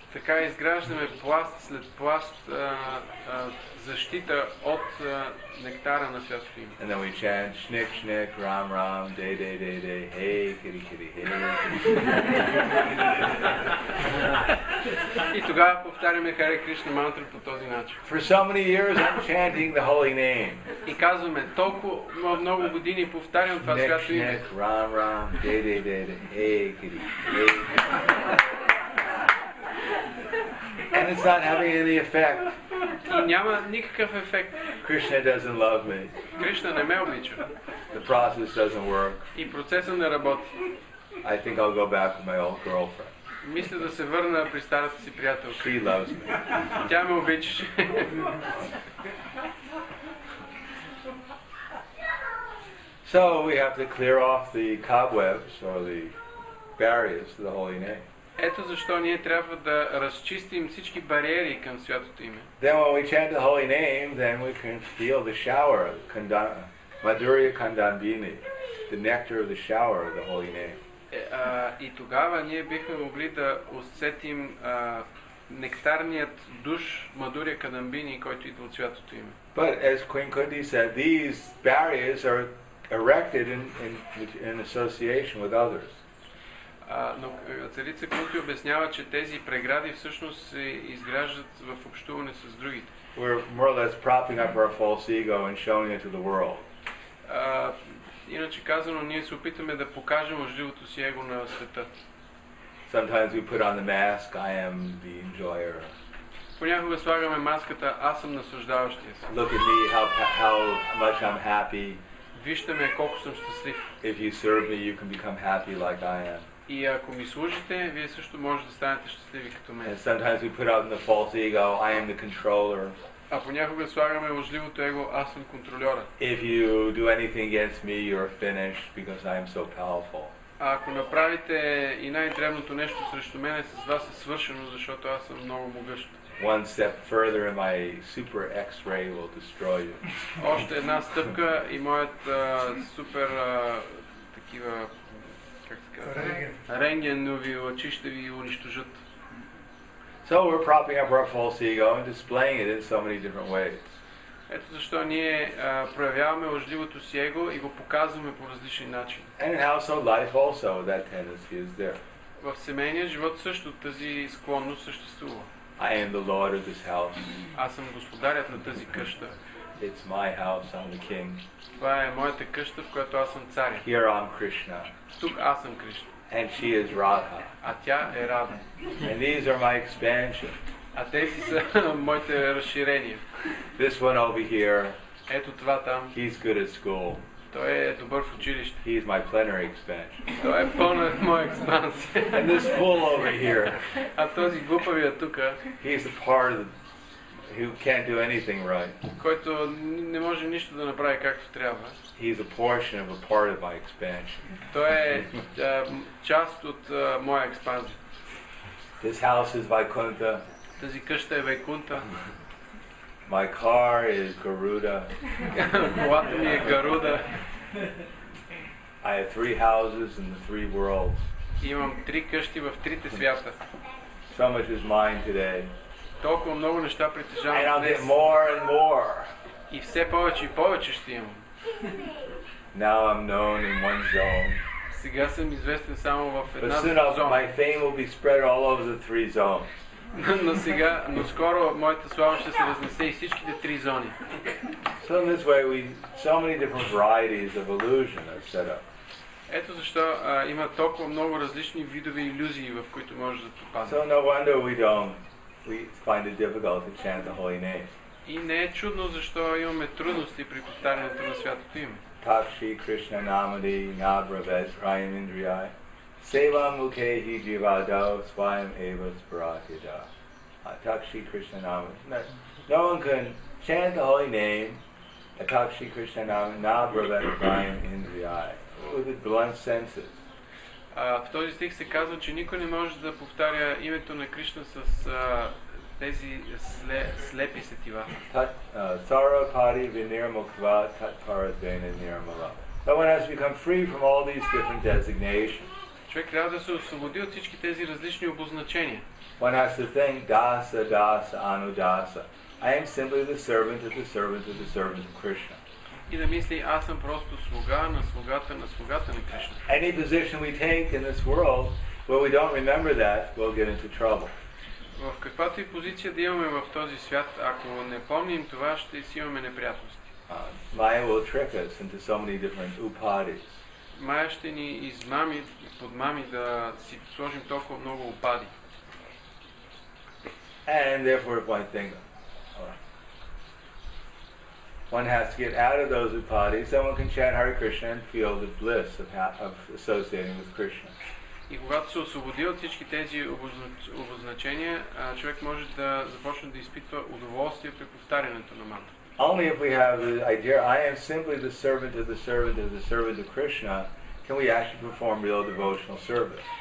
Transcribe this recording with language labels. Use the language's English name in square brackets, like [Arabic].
[Bulgarian] Така изграждаме пласт след пласт защита от нектара на святото име. [English] And then we chant shnik shnik ram ram day day day day hey kitty kitty hey. [Bulgarian] И тогава повтаряме Харе Кришна мантра по този начин. [English] For so many years I'm chanting the holy name. [Bulgarian] И казваме толкова много години повтарям това свято име. [English] Shnik shnik ram ram day day day day hey kitty hey. And it's not having any effect. [Bulgarian] Няма никакъв ефект. [English] Krishna doesn't love me. [Bulgarian] Кришна не ме обича. [English] The process doesn't work. [Bulgarian] И процесът не работи. [English] I think I'll go back with my old girlfriend. [Bulgarian] Мисля да се върна при старата си приятелка. [English] She loves me. [Bulgarian] Тя ме обича. [English] So we have to clear off the cobwebs or the barriers to the holy name. [Bulgarian] Ето защо ние трябва да разчистим всички бариери към святото име. [English] Then when we chant the holy name, then we can feel the shower, Madhurya Kandambini, the nectar of the shower of the holy name. [Bulgarian] И тогава ние бихме могли да усетим нектарният душ, Madhurya Kandambini, който идва от святото име. [English] But as Queen Kundi said, these barriers are erected in association with others. [Bulgarian] Но царица Кунти обяснява, че тези прегради всъщност се изграждат в общуване с другите. [English] We're more or less propping up our false ego and showing it to the world. [Bulgarian] Иначе казано, ние се опитаме да покажем лъжливото си его на света. [English] Sometimes we put on the mask, I am the enjoyer. [Bulgarian] Понякога слагаме маската аз съм наслаждаващия се. [English] Look at me, how much I'm happy. [Bulgarian] Вижте ме колко съм щастлив. [English] If you serve me, you can become happy like I am. [Bulgarian] И ако ми служите, вие също можете да станете щастливи като мен. [English] And sometimes we put out in the false ego, I am the controller. [Bulgarian] А понякога слагаме лъжливото его, аз съм контрольорът. [English] If you do anything against me, you're finished because I am so powerful. [Bulgarian] А ако направите и най-древното нещо срещу мен, с вас е свършено, защото аз съм много могъщ. [English] One step further and my super X-ray will destroy you. [Bulgarian] Още една стъпка и моят супер такива, как се казва? Рентгенови лъчи ще ви унищожат. [English] So we're propping up our false ego and displaying it in so many different ways. [Bulgarian] Ето защо ние проявяваме лъжливото си его и го показваме по различни начини. [English] And in household life also that tendency is there. [Bulgarian] В семейния живот също тази склонност съществува. [English] I am the lord of this house. [Bulgarian] Аз съм господарят на тази къща. [English] It's my house, I'm the king. [Bulgarian] Това е моята къща, в която аз съм царя. [English] Here I'm Krishna. [Bulgarian] Тук аз съм Кришна. [English] And she is Radha. [Bulgarian] А тя е Радха. [English] And these are my expansion. [Bulgarian] А тези са моите разширения. [English] This one over here. [Bulgarian] Ето това там. [English] He's good at school. [Bulgarian] Той е добър в училище. [English] He is my plenary expansion. [Bulgarian] Той е пълна моя експансия. [English] And this fool over here. [Bulgarian] А този глупавия тук. [English] He's a part of who can't do anything right. [Bulgarian] Който не може нищо да направи както трябва. [English] He's a portion of a part of my expansion. [Bulgarian] Той е част от моя експансия. [English] This house is Vaikuntha. [Bulgarian] Тази къща е Вайкунта. [English] My car is Garuda. [Bulgarian] Колата ми е Garuda. [English] I have three houses in the three worlds. [Bulgarian] Имам три къщи в трите свята. [English] So much is mine today. [Bulgarian] Толкова много неща притежавам днес. [English] And I'll get more and more. [Bulgarian] И все повече и повече ще имам. [English] Now I'm known in one zone. [Bulgarian] Сега съм известен само в една зона. [English] But soon my fame will be spread all over the three zones. [Bulgarian] Но сега, но скоро моята слава ще се разнесе и всичките три зони. [English] So in this way, so many different varieties of illusion are set up. [Bulgarian] Ето защо има толкова много различни видове иллюзии, в които може да попадне. [English] So no wonder we find it difficult to chant the holy name. [Bulgarian] И не е чудно защо имаме трудности при повтарянето на святото име. [Sanskrit] Такши Кришна Намади Награвед Прайаминдрияй Севам Мукехи Дживадо Свайм Эвас Брахида. Такши Кришна Намади. [English] No one can chant the holy name [Sanskrit] Такши Кришна Намади Награвед Прайаминдрияй [English] with the blunt senses. [Bulgarian] В този стих се казва, че никой не може да повтаря името на Кришна с тези слепи сетива. [Sanskrit] Сара пари винир муква тат пара дейна нирмала. [English] Someone has become free from all these different designations. [Bulgarian] Човек трябва да се освободи от всички тези различни обозначения. [English] One has to think [Sanskrit] даса, даса, анудаса. [English] I am simply the servant of the servant of the servant of Krishna. [Bulgarian] И да мисли, аз съм просто слуга на слугата на слугата на Кришна. [English] Any position we take in this world where we don't remember that, we'll get into trouble. [Bulgarian] В каквато и позиция да имаме в този свят, ако не помним това, ще си имаме неприятности. [English] Maya will trick us into so many different upadis. [Bulgarian] Maya ще ни измами, подмами да си сложим толкова много упади. [English] And therefore one thing. One has to get out of those upadis so one can chant Hare Krishna and feel the bliss of associating with Krishna. [Bulgarian] И когато се освободи от всички тези обозначения, човек може да започне да изпитва удоволствие при повтарянето на мантра. [English] Only if we have the idea I am simply the servant of the servant of the servant of Krishna, can we actually perform real devotional service.